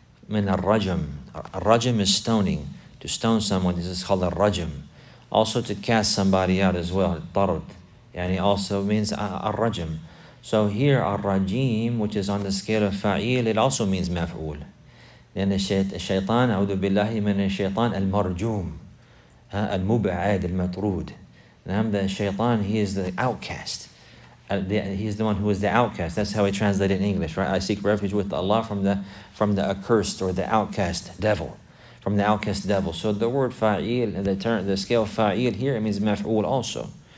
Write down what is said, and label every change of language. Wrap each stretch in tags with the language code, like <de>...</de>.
<ar>من الرجم.</ar> <en>الرجم is stoning. To stone someone, this is called الرجم. Also to cast somebody out as well.</en> <ar>طرد.</ar> <en>And it also means الرجم. So here, الرجيم, which is on the scale of فائل, it also means مفعول. Then</en> <ar>الشيطان, أعوذ بالله من الشيطان المرجوم. المبعد المطرود.</ar> <en>The shaitan, he is the outcast. He is the one who is the outcast. That's how we translate it in English, right? I seek refuge with Allah from the accursed or the outcast devil. From the outcast devil. So the word fa'il, the scale fa'il here, it means maf'ul also.</en>